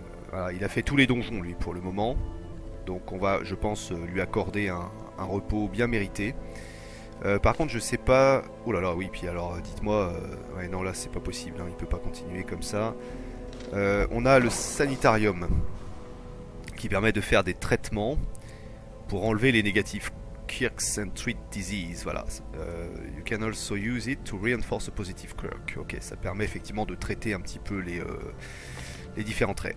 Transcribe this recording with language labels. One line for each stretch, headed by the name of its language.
French: Voilà, il a fait tous les donjons, lui, pour le moment. Donc on va, je pense, lui accorder un repos bien mérité. Par contre, je ne sais pas... Oh là là, oui, puis alors, dites-moi... ouais, non, là, c'est pas possible, hein, il ne peut pas continuer comme ça. On a le sanitarium qui permet de faire des traitements pour enlever les négatifs.
English: Quirks and treat disease, voilà. You can also use it to reinforce a positive quirk.
French: Ok, ça permet effectivement de traiter un petit peu les différents traits.